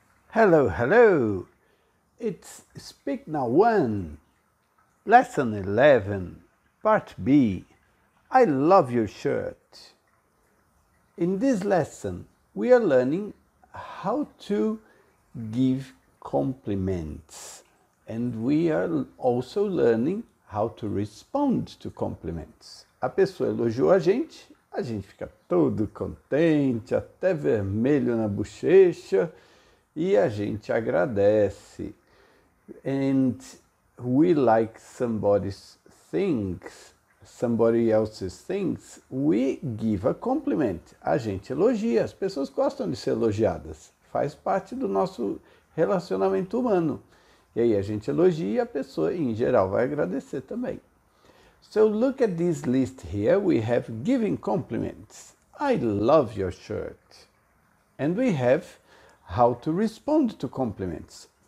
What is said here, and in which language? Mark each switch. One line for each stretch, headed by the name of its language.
English: Hello, hello, it's Speak Now 1, Lesson 11, Part B, I love your shirt. In this lesson, we are learning how to give compliments, and we are also learning how to respond to compliments.
Portuguese: A pessoa elogiou a gente fica todo contente, até vermelho na bochecha, e a gente agradece.
English: And we like somebody's things, somebody else's things, we give a compliment.
Portuguese: A gente elogia, as pessoas gostam de ser elogiadas. Faz parte do nosso relacionamento humano. E aí a gente elogia, a pessoa em geral vai agradecer também.
English: So look at this list here, we have giving compliments. I love your shirt. And we have how to respond to compliments.